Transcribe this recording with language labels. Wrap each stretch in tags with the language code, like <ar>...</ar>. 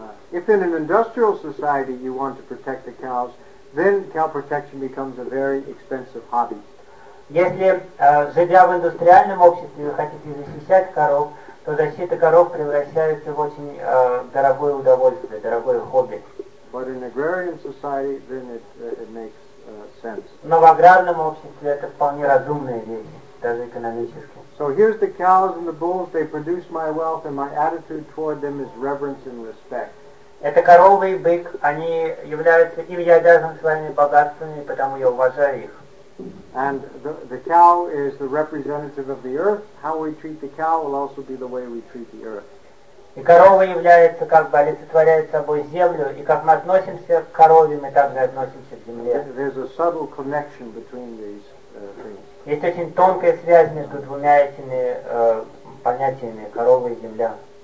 <en>If in an industrial society you want to protect the cows, then cow protection becomes a very expensive hobby.</en> <ru>Если живя в индустриальном обществе вы хотите защищать коров, то защита коров превращается в очень дорогое удовольствие, дорогое хобби.</ru> <en>But in agrarian society, then it makes sense.</en> <ru>Но в аграрном обществе это вполне разумная вещь, даже экономически.</ru> <en>So here's the cows and the bulls, they produce my wealth and my attitude toward them is reverence and respect.</en> <ru>Это коровы и бык, они являются, и я обязан своими богатствами, потому я уважаю их.</ru> <en>And the cow is the representative of the earth. How we treat the cow will also be the way we treat the earth.</en> <ru>И корова является, как бы, олицетворяет собой землю, и как мы относимся к корове, мы также относимся к земле.</ru> <en>There's a subtle connection between these things.</en> <ru>Есть очень тонкая связь между двумя этими понятиями, корова и земля.</ru>